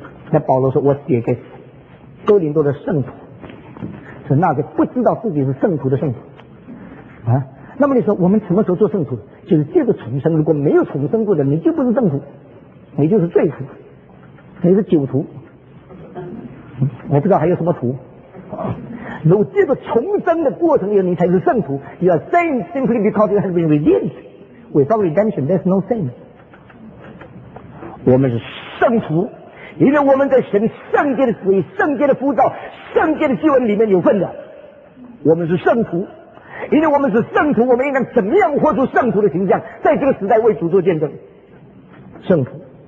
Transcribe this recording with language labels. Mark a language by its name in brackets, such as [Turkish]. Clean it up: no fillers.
[Chinese] 那保罗说：“我写给多林多的圣徒，是那个不知道自己是圣徒的圣徒。” 啊，那么你说我们什么时候做圣徒？就是借着重生。如果没有重生过的，你就不是圣徒，你就是罪徒，你是酒徒。我不知道还有什么图。如果这个重生的过程里，你才是圣徒。 [English] You are saint simply because you have been redeemed. Without redemption, there's no saint. [Chinese] 我们是圣徒，因为我们在神圣洁的旨意、圣洁的呼召、圣洁的救恩里面有份的。我们是圣徒，因为我们是圣徒，我们应当怎么样活出圣徒的形象，在这个时代为主做见证。圣徒。